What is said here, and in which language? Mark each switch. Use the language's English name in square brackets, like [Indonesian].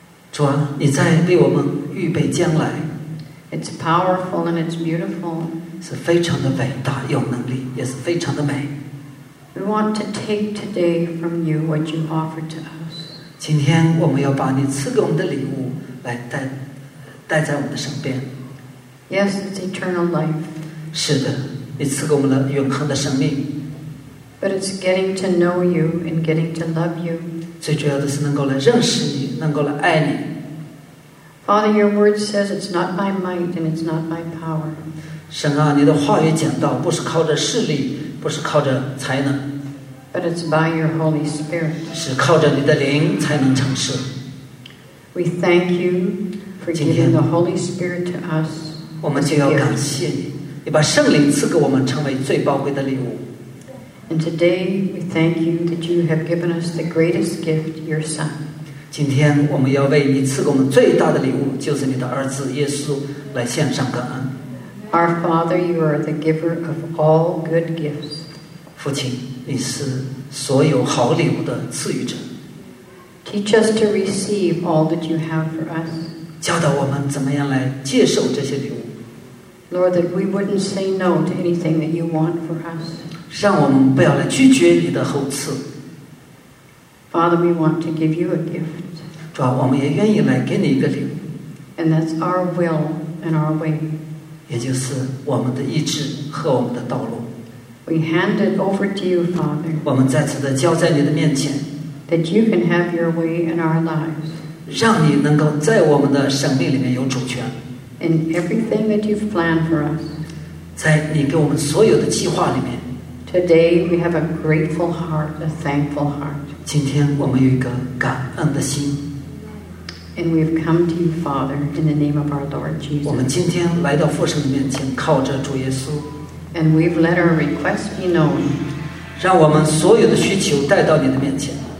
[Chinese] 主啊，你在为我们预备将来。 [English] It's powerful and it's beautiful. [Chinese] 是非常的伟大，有能力，也是非常的美。 [English] We want to take today from you what you offered to us. [Chinese] 今天我们要把你赐给我们的礼物来 带在我们的身边。 [English] Yes, it's eternal life. [Chinese] 是的，你赐给我们了永恒的生命。 [English] But it's getting to know you and getting to love you. [Chinese] 最主要的是能够来认识你，能够来爱你。 [English] Father, your word says it's not by might and it's not by power. [Chinese] 神啊，你的话语讲到，不是靠着势力，不是靠着才能。 [English] But it's by your Holy Spirit. [Chinese] 是靠着你的灵才能成事。 [English] We thank you for giving the Holy Spirit to us. [Chinese] 我们就要感谢你，你把圣灵赐给我们，成为最宝贵的礼物。 [English] And today we thank you that you have given us the greatest gift, your Son. [Chinese] 今天我们要为你赐给我们最大的礼物，就是你的儿子耶稣，来献上感恩。 [English] Our Father, you are the giver of all good gifts. [Chinese] 父亲。你是所有好礼物的赐予者。 [English] Teach us to receive all that you have for us. [Chinese] 教导我们怎么样来接受这些礼物。 [English] Lord, that we wouldn't say no to anything that you want for us. [Chinese] 让我们不要来拒绝你的厚赐。 [English] Father, we want to give you a gift. [Chinese] 主啊，我们也愿意来给你一个礼物。 [English] And that's our will and our way. [Chinese] 也就是我们的意志和我们的道路。 [English] We hand it over to you, Father. [Chinese] 我们再次的交在你的面前。 [English] That you can have your way in our lives. [Chinese] 让你能够在我们的生命里面有主权。 [English] In everything that you've planned for us. [Chinese] 在你给我们所有的计划里面。 [English] Today we have a grateful heart, a thankful heart. [Chinese] 今天我们有一个感恩的心。 [English] And we've come to you, Father, in the name of our Lord Jesus. [Chinese] 我们今天来到父神的面前，靠着主耶稣。 [English] And we've let our requests be known. [Chinese] 让我们所有的需求带到你的面前。